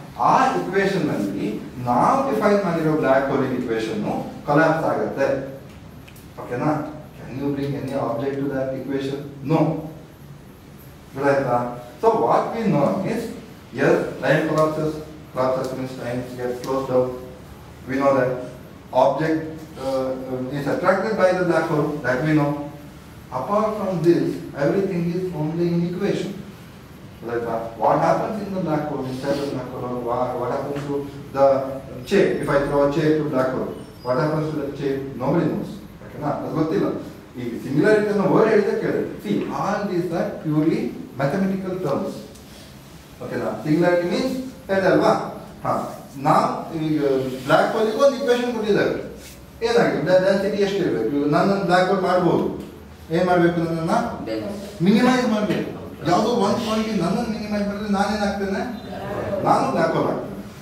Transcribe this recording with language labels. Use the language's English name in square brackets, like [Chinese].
[Kannada] ಆ ಇಕ್ವೇಶನ್ ಅಲ್ಲಿ ನಾವು ಡಿಫೈನ್ ಮಾಡಿರೋ ಬ್ಲ್ಯಾಕ್ ಹೋಲ್ ಇಕ್ವೇಶನ್ ಕೊಲಾಪ್ಸ್ ಆಗುತ್ತೆ, ಓಕೆನಾ. [English] Can you bring any object to that equation? [Kannada] No. ಗೊತ್ತಾಯ್ತಾ? [English] So what we know is, yes, time collapses, collapses means time gets closed down, we know that. Object is attracted by the black hole, that we know. Apart from this, everything is only in equation. Like what happens in the black hole, inside the black hole, what happens to the chip, if I throw a chip to black hole, what happens to the chip, nobody knows. Okay, na? That's good. [Kannada] ಈಗ singularity ಅನ್ನೋ word ಹೇಳ್ತಾ ಕೇಳಿದ್ರು. [English] See all these are purely mathematical terms. [Kannada] ಓಕೆನಾ, singularity means ಹೇಳಿದೆ ಅಲ್ವಾ. ಹಾ, ನಾನು ಈಗ ಬ್ಲಾಕ್ ಹೋಲ್ಗೆ ಒಂದು ಇಕ್ವೇಶನ್ ಕೊಟ್ಟಿದ್ದಾರೆ, ಏನಾಗಿದೆ ಡೆನ್ಸಿಟಿ ಎಷ್ಟು ಇರಬೇಕು, ನನ್ನ ಬ್ಲಾಕ್ ಹೋಲ್ ಮಾಡ್ಬೋದು, ಏನ್ ಮಾಡ್ಬೇಕು ನನ್ನ ಮಿನಿಮೈಸ್ ಮಾಡ್ಬೇಕು, ಯಾವುದೋ ಒಂದ್ ಪಾಯಿಂಟ್ ನನ್ನನ್ನು ಮಿನಿಮೈಸ್ ಮಾಡಿದ್ರೆ ನಾನೇನಾಗ್ತೇನೆ, ನಾನು ಬ್ಲಾಕ್ ಹೋಲ್ ಆಗ್ತೇನೆ.